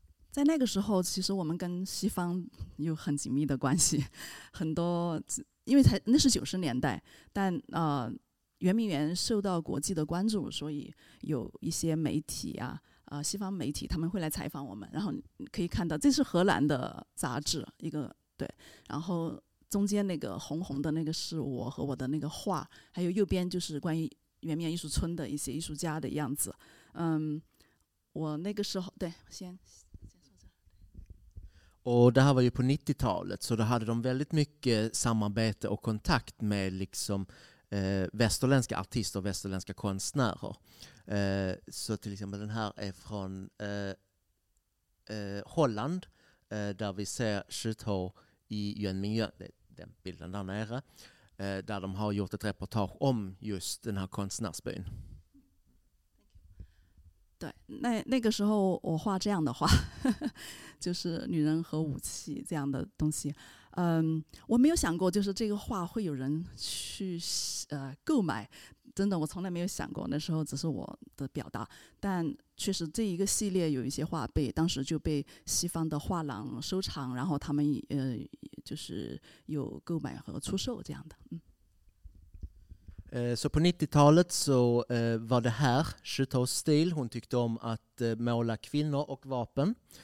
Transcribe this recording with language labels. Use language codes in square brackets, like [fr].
[zh] 在那个时候其实我们跟西方有很紧密的关系，很多因为才那是九十年代，但圆明园受到国际的关注，所以有一些媒体啊，西方媒体他们会来采访我们，然后可以看到这是荷兰的杂志一个，对，然后中间那个红红的那个是我和我的那个画，还有右边就是关于圆明艺术村的一些艺术家的样子。我那个时候，对，先说这。 [sv] Och det här var ju på 90-talet, så då hade de väldigt mycket samarbete och kontakt med liksom västerländska artister och västerländska konstnärer. Så till exempel den här är från Holland, där vi ser Shuto i Jönmingön, den bilden där nere, där de har gjort ett reportage om just den här konstnärsbyn. [zh] 对，那个时候我画这样的画，就是女人和武器这样的东西。我没有想过，就是这个画会有人去购买，真的我从来没有想过。那时候只是我的表达，但确实这一个系列有一些画被当时就被西方的画廊收藏，然后他们就是有购买和出售这样的。 [sv] Så på 90-talet så var det här Shutos stil. Hon tyckte om att måla kvinnor och vapen.